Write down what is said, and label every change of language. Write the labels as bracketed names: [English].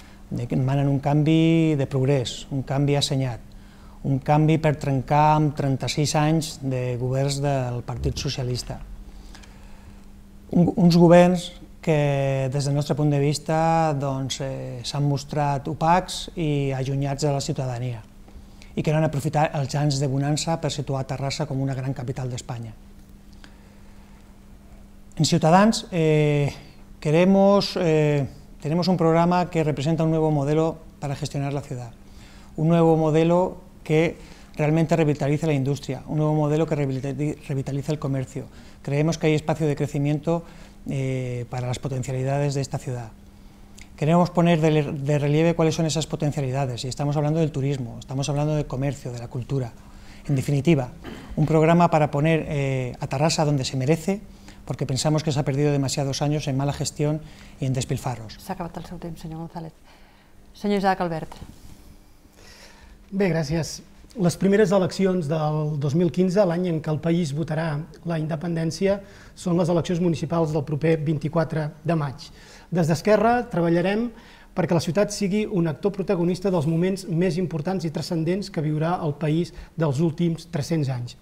[Catalan] Demanen un canvi de progrés, un canvi assenyat, un canvi per trencar amb 36 anys de governs del Partit Socialista. Uns governs que, des del nostre punt de vista, s'han mostrat opacs i allunyats de la ciutadania i que no han aprofitat els anys de bonança per situar Terrassa com una gran capital d'Espanya. [Spanish] En Ciutadans, tenemos un programa que representa un nuevo modelo para gestionar la ciudad, un nuevo modelo que realmente revitalice la industria, un nuevo modelo que revitalice el comercio. Creemos que hay espacio de crecimiento para las potencialidades de esta ciudad. Queremos poner de relieve cuáles son esas potencialidades, y estamos hablando del turismo, estamos hablando del comercio, de la cultura. En definitiva, un programa para poner a Terrassa donde se merece, porque pensamos que se ha perdido demasiados años en mala gestión y en despilfarros. [Catalan] S'ha acabat el seu temps, senyor González. Senyor Isaac Albert. Bé, gràcies. Les primeres eleccions del 2015, l'any en què el país votarà la independència, són les eleccions municipals del proper 24 de maig. Des d'Esquerra treballarem perquè la ciutat sigui un actor protagonista dels moments més importants i transcendents que viurà el país dels últims 300 anys.